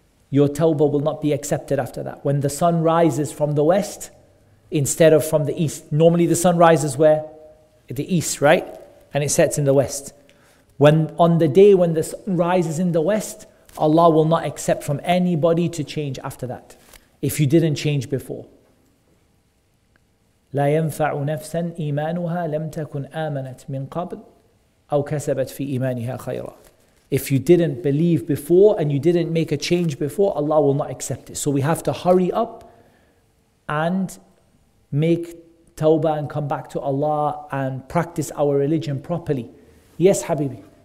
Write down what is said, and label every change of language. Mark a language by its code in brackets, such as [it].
[en] Your tawbah will not be accepted after that. When the sun rises from the west, instead of from the east. Normally the sun rises where? The east, right? And it sets in the west. On the day when the sun rises in the west, Allah will not accept from anybody to change after that, if you didn't change before. [ar] لا ينفع نفسا إيمانها لم تكن آمنت من قبل أو كسبت في إيمانها خيرا. [en] If you didn't believe before and you didn't make a change before, Allah will not accept it. So we have to hurry up and make tawbah and come back to Allah and practice our religion properly. Yes, Habibi.